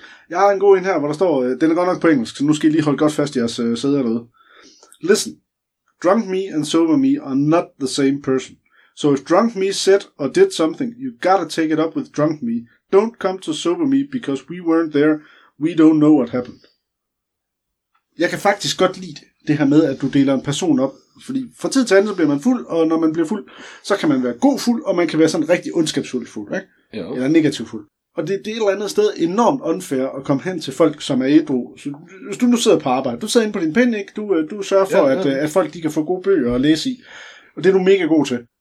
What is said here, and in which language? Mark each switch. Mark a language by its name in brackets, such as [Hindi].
[Danish] Jeg har en god en her, hvor der står, den er godt nok på engelsk, så nu skal I lige holde godt fast i jeres sæde derude. [English] Listen, drunk me and sober me are not the same person. So if drunk me said or did something, you gotta take it up with drunk me. Don't come to sober me, because we weren't there. We don't know what happened. [Danish] Jeg kan faktisk godt lide det her med, at du deler en person op. Fordi fra tid til anden, så bliver man fuld, og når man bliver fuld, så kan man være god fuld, og man kan være sådan rigtig ondskabsfuld fuld, ikke? Ja. Eller negativ fuld. Og det er et eller andet sted enormt unfair at komme hen til folk, som er ædru. Så hvis du nu sidder på arbejde, du sidder inde på din pen, ikke? Du sørger for, at folk de kan få gode bøger at læse i. Og det er du mega god til.